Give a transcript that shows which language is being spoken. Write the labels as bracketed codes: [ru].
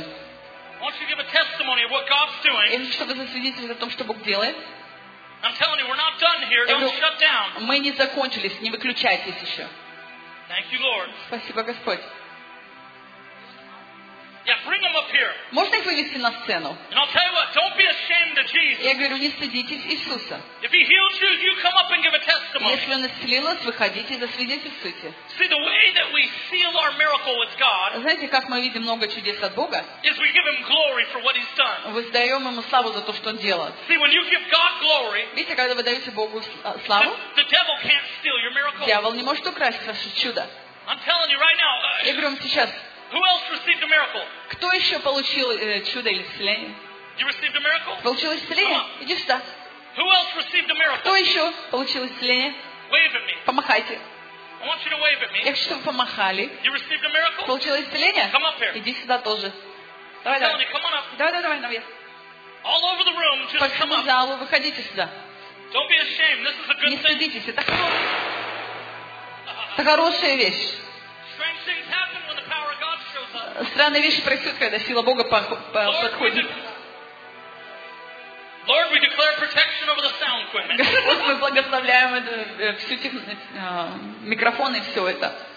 [en] I want you to give a testimony of what God's doing. [ru] Я хочу, чтобы вы засвидетельствовали о том, что Бог делает. [en] I'm telling you, we're not done here. Don't shut down. [ru] Мы не закончились, не выключайтесь еще. [en] Thank you, Lord. [ru] Спасибо, Господь. [en] Yeah, bring them up here. [ru] Можно их вывести на сцену? [en] And I'll tell you what, don't be ashamed of Jesus. [ru] Я говорю, не стыдитесь Иисуса. [en] If he heals you, you come up and give a testimony. [ru] Если он исцелил вас, выходите и засвидетельствуйте. [en] See, the way that we seal our miracle with God. [ru] Знаете, как мы видим много чудес от Бога? [en] Is we give him glory for what he's done. [ru] Воздаем ему славу за то, что он делает. [en] See, when you give God glory. [ru] Видите, когда вы даете Богу славу? [en] The devil can't steal your miracle. [ru] Дьявол не может украсть ваше чудо. [en] I'm telling you right now. [ru] Я говорю вам сейчас. [en] Who else received a miracle? [ru] Кто еще получил чудо или исцеление? [en] You received a miracle? [ru] Получил исцеление? Иди сюда. [en] Who else received a miracle? [ru] Кто еще получил исцеление? [en] Wave at me. [ru] Помахайте. [en] I want you to wave at me. [ru] Я хочу, чтобы вы помахали. [en] You received a miracle? [ru] Получил исцеление? [en] Come up here. [ru] Иди сюда тоже. Давай, [en] I'm telling you, come on up. [ru] Давай, давай, давай, давай. [en] All over the room, just [ru] по всему залу, выходите сюда. [en] Don't be ashamed. This is a good [ru] не стыдитесь, [en] thing. [ru] Это хорошая, хорошая вещь. [en] Strange things happen when the power of God shows up. [ru] Странные вещи происходят, когда сила Бога подходит. [en] Lord, Lord, we declare protection over the sound equipment. [ru] Мы благословляем всю микрофоны и все это.